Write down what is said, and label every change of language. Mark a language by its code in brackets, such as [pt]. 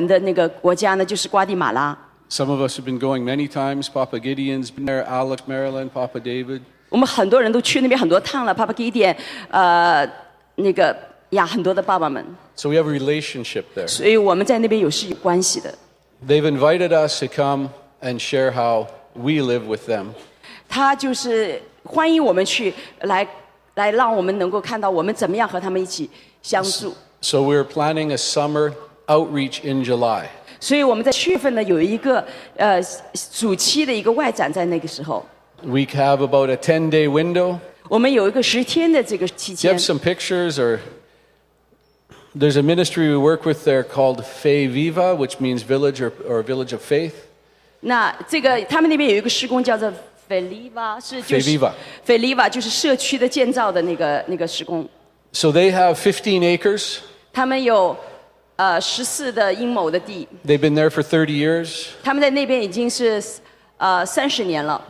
[zh] 那其中有一个神把这个关系给我们的那个国家呢，就是瓜地马拉。 [en] Some of us have been going many times. Papa Gideon's been there, Alec, Maryland, Papa David. [zh] 我们很多人都去那边很多趟了，Papa Gideon, 那个呀，很多的爸爸们。 [en] So we have a relationship there. [zh] 所以我们在那边有是有关系的。 [en] They've invited us to come and share how we live with them. [zh] 他就是 欢迎我们去，来让我们能够看到我们怎么样和他们一起相处。 [en] So we're planning a summer outreach in July. [zh] 所以我们在7月份呢有一个暑期的一个外展在那个时候。 [en] We have about a 10-day window. [zh] 我们有一个10天的这个期间。 [en] You have some pictures, or there's a ministry we work with there called Fe Viva, which means village or village of faith. [zh] 那这个他们那边有一个施工叫做 Feliva, 就是社区的建造的那个施工。 [en] So they have 15 acres. [zh] 他们有 14的英亩的地。 [en] They've been there for 30 years. [zh] 他们在那边已经是 30年了。